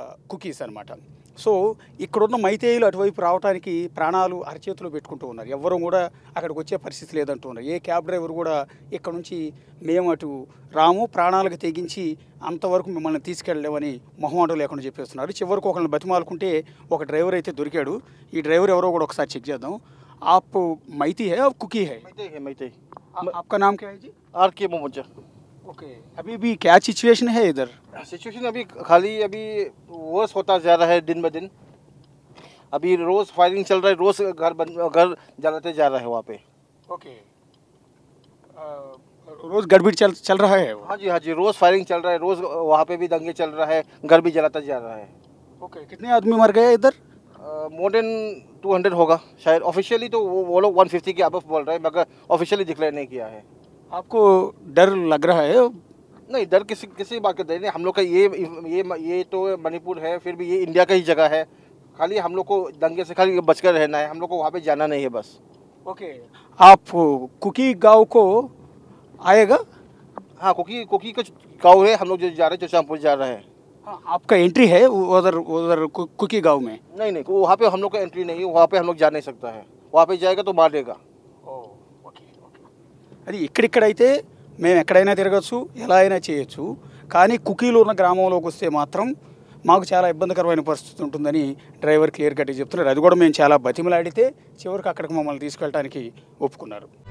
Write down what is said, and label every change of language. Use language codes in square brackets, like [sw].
[te] Cookies అన్నమాట so ఇక్కడున్న మైతేయులు అటువైపు రావడానికి ప్రాణాలు అరచేతులు పెట్టుకుంటూ ఉన్నారు ఎవరూ కూడా అక్కడికి వచ్చే పరిస్థితి లేదంటున్నారు ఏ క్యాబ్ డ్రైవర్ కూడా ఇక్కడ నుంచి మేము అటు రాము ప్రాణాలకు తెగించి అంతవరకు మిమ్మల్ని తీసుకెళ్ళలేమని మొహమాటం లేకుండా చెప్పేస్తున్నారు చివరికి ఒకరిని బతిమాలుకుంటే ఒక డ్రైవర్ అయితే దొరికాడు ఈ డ్రైవర్ ఎవరో కూడా ఒకసారి చెక్ చేద్దాం [hi] ఆప్ Meitei high cookie high [te] Meitei [hi] ఆప్కా నామ్ క్యా హై జీ ఆర్కే మోమజా ओके अभी भी क्या सिचुएशन है इधर सिचुएशन अभी खाली अभी वर्स होता जा रहा है दिन ब दिन अभी रोज फायरिंग चल रहा है रोज घर बंद घर जलाते जा रहा है वहाँ पे ओके रोज गड़बड़ चल रहा है हाँ जी रोज फायरिंग चल रहा है रोज वहाँ पे भी दंगे चल रहा है घर भी जलाता जा रहा है ओके कितने आदमी मर गए इधर मोर देन 200 होगा शायद ऑफिशियली तो वो लोग 150 के अबव बोल रहे हैं मगर ऑफिशियली डिक्लेयर नहीं किया है आपको डर लग रहा है नहीं डर किसी बात का डर नहीं हम लोग का ये तो मणिपुर है फिर भी ये इंडिया का ही जगह है खाली हम लोग को दंगे से खाली बचकर रहना है हम लोग को वहाँ पे जाना नहीं है बस ओके आप कुकी गांव को आएगा हाँ कुकी का गांव है हम लोग जो जा रहे हैं चौचामपुर जा रहे हैं आपका एंट्री है उधर कुकी गाँव में नहीं नहीं वहाँ पर हम लोग का एंट्री नहीं है वहाँ पर हम लोग जा नहीं सकता है वहाँ पर जाएगा तो मारेगा [te] అది ఇక్కడైతే మేము ఎక్కడైనా తిరగచ్చు ఎలా అయినా చేయొచ్చు కానీ కుకీలు ఉన్న గ్రామంలోకి వస్తే మాత్రం మాకు చాలా ఇబ్బందికరమైన పరిస్థితి ఉంటుందని డ్రైవర్ క్లియర్ కట్గా చెప్తున్నారు. అది కూడా మేము చాలా బతిమలాడితే చివరికి అక్కడికి మమ్మల్ని తీసుకెళ్ళడానికి ఒప్పుకున్నారు.